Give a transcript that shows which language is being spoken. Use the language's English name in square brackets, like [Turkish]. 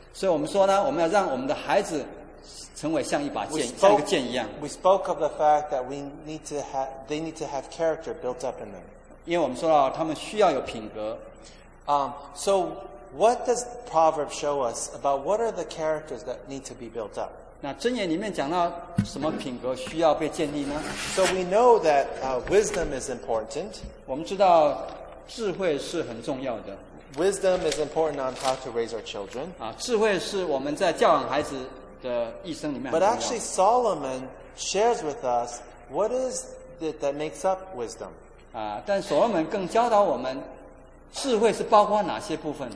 [Chinese] 所以我们说呢，我们要让我们的孩子成为像一把剑，像一个剑一样。 [English] We spoke of the fact that we need to have, they need to have character built up in them. [Chinese] 因为我们说到他们需要有品格。 [English] So what does Proverbs show us about what are the characters that need to be built up? [Chinese] 那箴言里面讲到什么品格需要被建立呢？ [English] So we know that wisdom is important. [Chinese] 我们知道智慧是很重要的。 [English] Wisdom is important on how to raise our children. [Chinese] 智慧是我们在教养孩子的一生里面很重要的。 [English] But actually, Solomon shares with us what is it that makes up wisdom. [Chinese] 但所罗门更教导我们，智慧是包括哪些部分